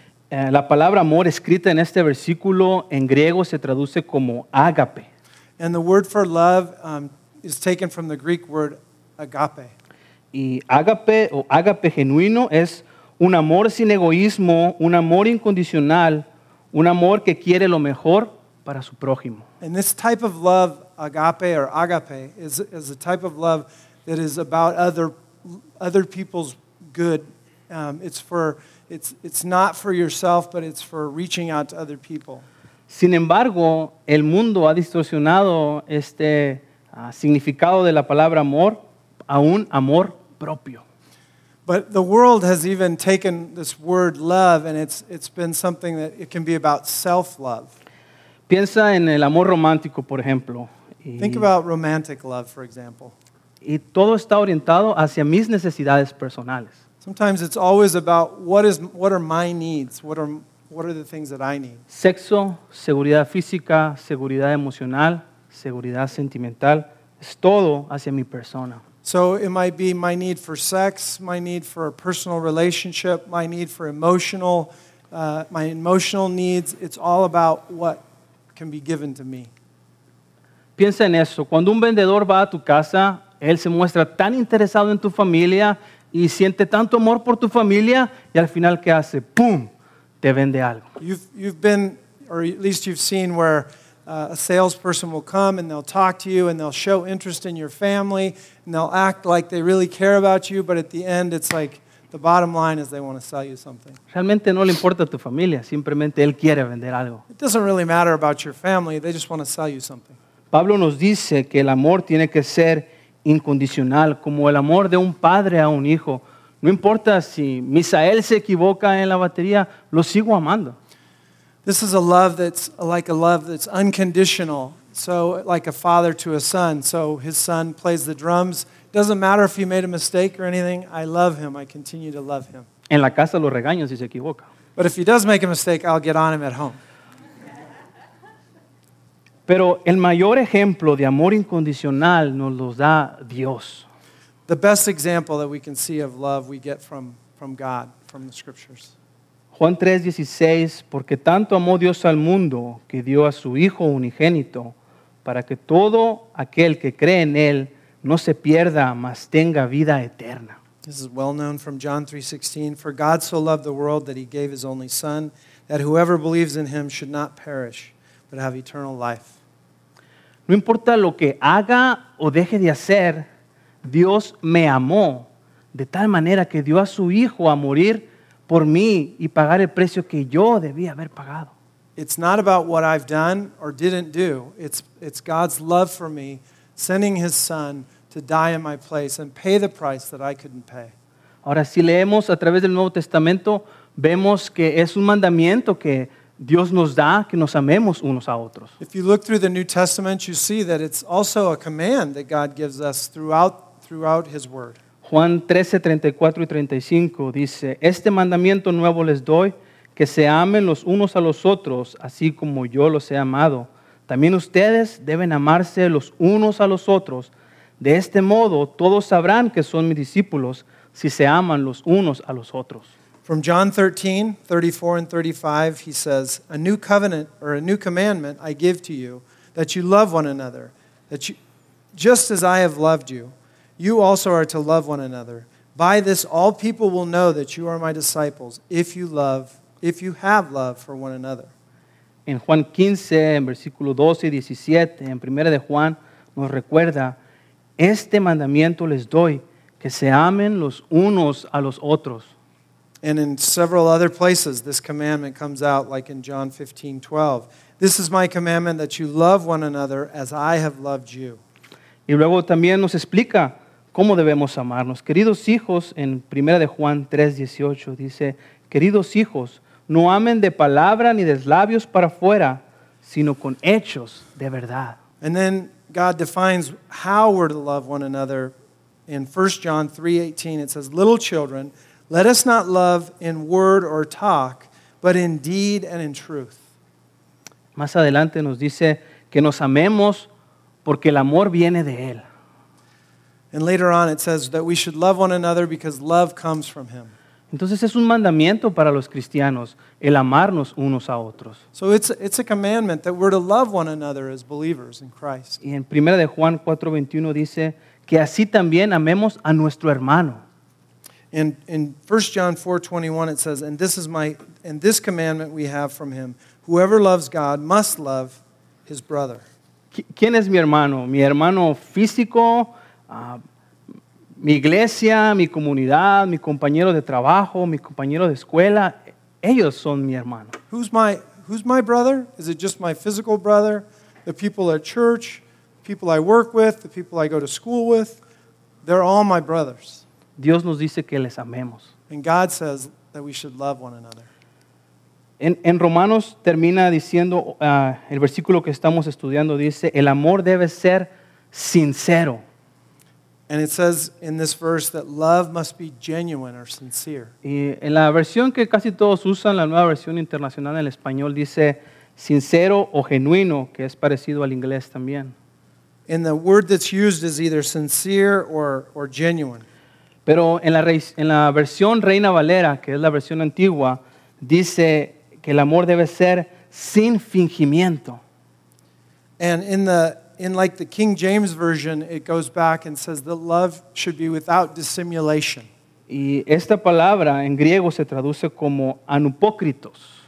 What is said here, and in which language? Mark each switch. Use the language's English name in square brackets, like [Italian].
[Spanish] La palabra amor escrita en este versículo en griego se traduce como ágape. [English] And the word for love is taken from the Greek word agape. [Spanish] Y ágape o ágape genuino es un amor sin egoísmo, un amor incondicional, un amor que quiere lo mejor para su prójimo. [English] And this type of love, agape or ágape, is a type of love that is about other people's good. It's for It's not for yourself, but it's for reaching out to other people. [Spanish] Sin embargo, el mundo ha distorsionado este significado de la palabra amor a un amor propio. [English] But the world has even taken this word love, and it's been something that it can be about self-love. [Spanish] Piensa en el amor romántico, por ejemplo. [English] Think about romantic love, for example. [Spanish] Y todo está orientado hacia mis necesidades personales. [English] Sometimes it's always about what are my needs, what are the things that I need. [Spanish] Sexo, seguridad física, seguridad emocional, seguridad sentimental, es todo hacia mi persona. [English] So it might be my need for sex, my need for a personal relationship, my need for my emotional needs. It's all about what can be given to me. [Spanish] Piensa en eso. Cuando un vendedor va a tu casa, él se muestra tan interesado en tu familia y siente tanto amor por tu familia y al final, ¿qué hace? ¡Pum! Te vende algo. [English] You've been, or at least you've seen where a salesperson will come and they'll talk to you and they'll show interest in your family and they'll act like they really care about you, but at the end it's like the bottom line is they want to sell you something. [Spanish] Realmente no le importa tu familia, simplemente él quiere vender algo. [English] It doesn't really matter about your family, they just want to sell you something. [Spanish] Pablo nos dice que el amor tiene que ser incondicional, como el amor de un padre a un hijo. No importa si Misael se equivoca en la batería, lo sigo amando. [English] This is a love that's like a love that's unconditional. So like a father to a son. So his son plays the drums. Doesn't matter if he made a mistake or anything. I love him. I continue to love him. [Spanish] En la casa lo regaño si se equivoca. [English] But if he does make a mistake, I'll get on him at home. [Spanish] Pero el mayor ejemplo de amor incondicional nos lo da Dios. [English] The best example that we can see of love we get from God, from the scriptures. [Spanish] Juan 3:16, porque tanto amó Dios al mundo que dio a su Hijo unigénito para que todo aquel que cree en Él no se pierda, mas tenga vida eterna. [English] This is well known from John 3:16, for God so loved the world that He gave His only Son, that whoever believes in Him should not perish, but have eternal life. [Spanish] No importa lo que haga o deje de hacer, Dios me amó de tal manera que dio a su Hijo a morir por mí y pagar el precio que yo debía haber pagado. [English] It's not about what I've done or didn't do. It's God's love for me sending His Son to die in my place and pay the price that I couldn't pay. [Spanish] Ahora, si leemos a través del Nuevo Testamento, vemos que es un mandamiento que Dios nos da que nos amemos unos a otros. [English] If you look through the New Testament, you see that it's also a command that God gives us throughout His Word. [Spanish] Juan 13:34 y 35 dice, este mandamiento nuevo les doy, que se amen los unos a los otros, así como yo los he amado. También ustedes deben amarse los unos a los otros. De este modo, todos sabrán que son mis discípulos, si se aman los unos a los otros. [English] From John 13:34 and 35, he says, a new covenant or a new commandment I give to you, that you love one another, just as I have loved you, you also are to love one another. By this, all people will know that you are my disciples, if you have love for one another. [Spanish] En Juan 15, en versículo 12 y 17, en primera de Juan, nos recuerda, este mandamiento les doy, que se amen los unos a los otros. [English] And in several other places, this commandment comes out, like in John 15:12. This is my commandment, that you love one another as I have loved you. [Spanish] Y luego también nos explica cómo debemos amarnos. Queridos hijos, en 1 de Juan 3:18 dice, queridos hijos, no amen de palabra ni de labios para afuera, sino con hechos de verdad. [English] And then God defines how we're to love one another. In 1 John 3:18, it says, little children, let us not love in word or talk, but in deed and in truth. [Spanish] Más adelante nos dice que nos amemos porque el amor viene de Él. [English] And later on it says that we should love one another because love comes from Him. [Spanish] Entonces es un mandamiento para los cristianos, el amarnos unos a otros. [English] So it's a commandment that we're to love one another as believers in Christ. [Spanish] Y en 1 de Juan 4:21 dice que así también amemos a nuestro hermano. [English] In 1 John 4:21 it says, and this commandment we have from Him, whoever loves God must love his brother. [Spanish] ¿Quién es mi hermano? Mi hermano físico, mi iglesia, mi comunidad, mi compañero de trabajo, mi compañero de escuela, ellos son mi hermano. [English] Who's my brother? Is it just my physical brother? The people at church, people I work with, the people I go to school with, they're all my brothers. [Spanish] Dios nos dice que les amemos. [English] And God says that we should love one another. [Spanish] En Romanos termina diciendo, el versículo que estamos estudiando dice, el amor debe ser sincero. [English] And it says in this verse that love must be genuine or sincere. [Spanish] Y en la versión que casi todos usan, la nueva versión internacional en español, dice sincero o genuino, que es parecido al inglés también. [English] And the word that's used is either sincere or genuine. [Spanish] Pero en la versión Reina Valera, que es la versión antigua, dice que el amor debe ser sin fingimiento. [English] And in the King James version, it goes back and says that love should be without dissimulation. [Spanish] Y esta palabra en griego se traduce como anupokritos.